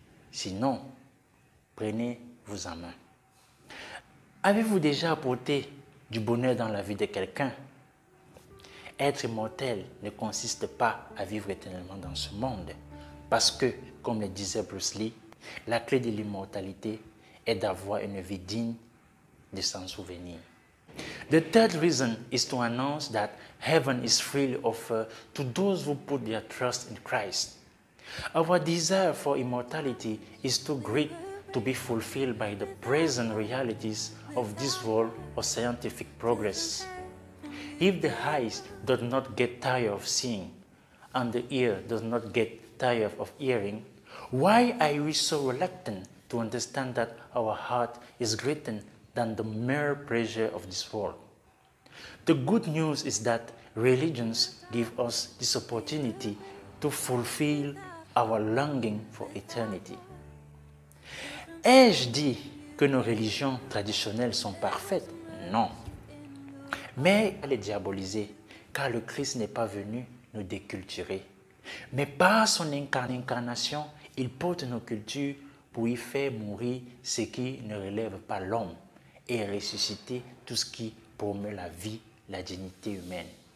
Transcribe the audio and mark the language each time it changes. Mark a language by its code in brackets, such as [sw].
[fr] Sinon, prenez-vous en main. Avez-vous déjà apporté du bonheur dans la vie de quelqu'un? Être immortel ne consiste pas à vivre éternellement dans ce monde, parce que, comme le disait Bruce Lee, la clé de l'immortalité est d'avoir une vie digne de s'en souvenir. [en] The third reason is to announce that heaven is freely offered to those who put their trust in Christ. Our desire for immortality is too great to be fulfilled by the present realities of this world or scientific progress. If the eyes do not get tired of seeing, and the ear does not get tired of hearing, why are we so reluctant to understand that our heart is greater than the mere pleasure of this world? The good news is that religions give us this opportunity to fulfill our longing for eternity. [fr] Ai-je dit que nos religions traditionnelles sont parfaites? Non. Mais elle est diabolisée, car le Christ n'est pas venu nous déculturer. Mais par son incarnation, il porte nos cultures pour y faire mourir ce qui ne relève pas l'homme et ressusciter tout ce qui promeut la vie, la dignité humaine.